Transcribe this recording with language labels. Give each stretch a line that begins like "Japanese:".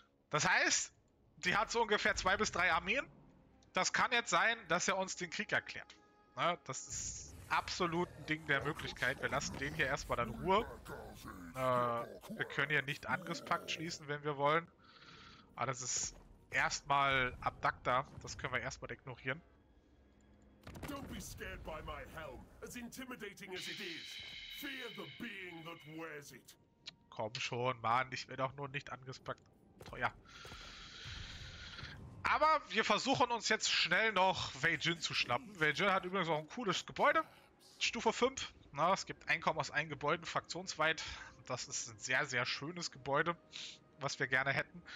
German: Das heißt, die hat so ungefähr 2 bis 3 Armeen. Das kann jetzt sein, dass er uns den Krieg erklärt. Ne? Das ist absolut ein Ding der Möglichkeit. Wir lassen den hier erstmal in Ruhe. Wir können hier nicht Angriffspakt schließen, wenn wir wollen. Aber das ist erstmal Abducta. Das können wir erstmal ignorieren.
English: Don't be scared by my helm, as intimidating as it is. Fear the being that wears it.
German: Komm schon, Mann, ich werde auch nur nicht angespackt. Teuer. Aber wir versuchen uns jetzt schnell noch Wei Jin zu schnappen. Wei Jin hat übrigens auch ein cooles Gebäude. Stufe 5. Na, es gibt Einkommen aus allen Gebäuden, fraktionsweit. Das ist ein sehr, sehr schönes Gebäude, was wir gerne hätten.